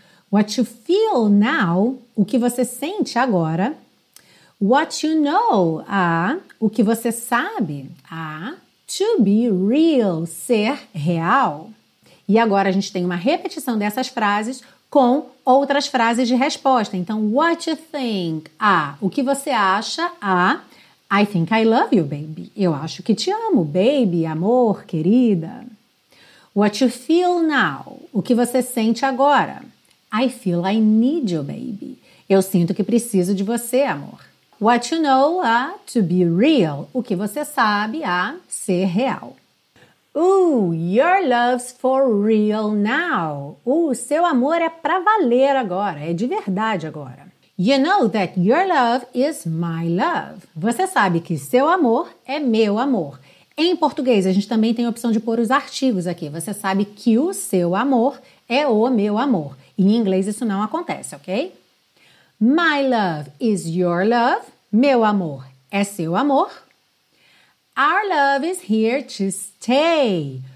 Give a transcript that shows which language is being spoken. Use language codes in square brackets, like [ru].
[en] What you feel now? [pt] O que você sente agora? [en] What you know? [pt] Ah, o que você sabe? [en] Ah, to be real, [pt] ser real. E agora a gente tem uma repetição dessas frases com outras frases de resposta. Então, [en] what you think? [pt] Ah, o que você acha? [en] Ah, I think I love you, baby. [pt] Eu acho que te amo, baby, amor, querida. [en] What you feel now? [pt] O que você sente agora? [en] I feel I need you, baby. [pt] Eu sinto que preciso de você, amor. [en] What you know? Ah, to be real. [pt] O que você sabe? Ah, ser real. [en] Ooh, your love's for real now. [pt] Seu amor é pra valer agora, é de verdade agora. [en] You know that your love is my love. [pt] Você sabe que seu amor é meu amor. Em português, a gente também tem a opção de pôr os artigos aqui. Você sabe que o seu amor é o meu amor. Em inglês, isso não acontece, ok? [en] My love is your love. [pt] Meu amor é seu amor. [en] Our love is here to stay.